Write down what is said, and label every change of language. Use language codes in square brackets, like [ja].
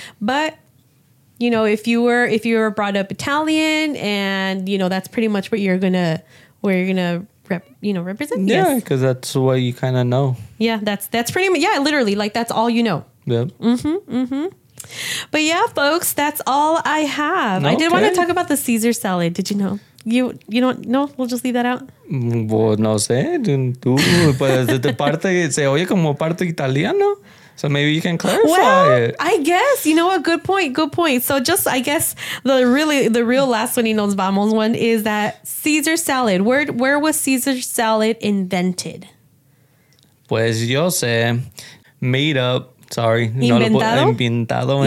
[en] But, you know, if you were brought up Italian and, you know, that's pretty much where you're going to represent. Yeah, because that's what you kind of know. Yeah, that's pretty much, yeah, literally, like that's all you know. Yep. Mm-hmm. But yeah, folks, that's all I have. Okay. I did want to talk about the Caesar salad. Did you know? You don't know? We'll just leave that out. Well, [es] no sé. Tú, pues, de parte, se oye como parte italiano. [en] So maybe you can clarify it. I guess. You know what? Good point. So just, I guess, the real last one, [es] nos vamos [en] one, is that Caesar salad. Where was Caesar salad invented? [es] Pues yo sé. [en] Made up. Sorry. [es] Inventado